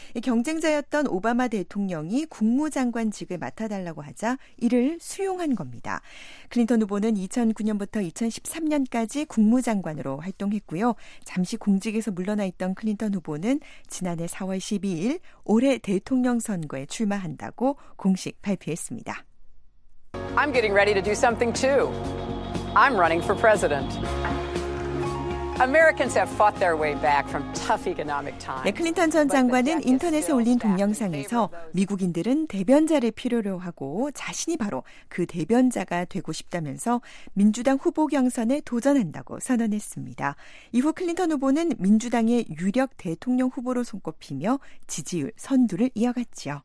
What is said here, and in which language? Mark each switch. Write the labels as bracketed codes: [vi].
[ko] 경쟁자였던 오바마 대통령이 국무장관직을 맡아달라고 하자 이를 수용한 겁니다. 클린턴 후보는 2009년부터 2013년까지 국무장관으로 활동했고요. 잠시 공직에서 물러나 있던 클린턴 후보는 지난해 4월 12일 올해 대통령 선거에 출마한다고 공식 발표했습니다. [en] I'm getting ready to do something too. I'm running for president. Americans have fought their way back from tough economic times. [ko] 네, 클린턴 전 장관은 인터넷에 올린 동영상에서 미국인들은 대변자를 필요로 하고 자신이 바로 그 대변자가 되고 싶다면서 민주당 후보 경선에 도전한다고 선언했습니다. 이후 클린턴 후보는 민주당의 유력 대통령 후보로 손꼽히며 지지율 선두를 이어갔지요.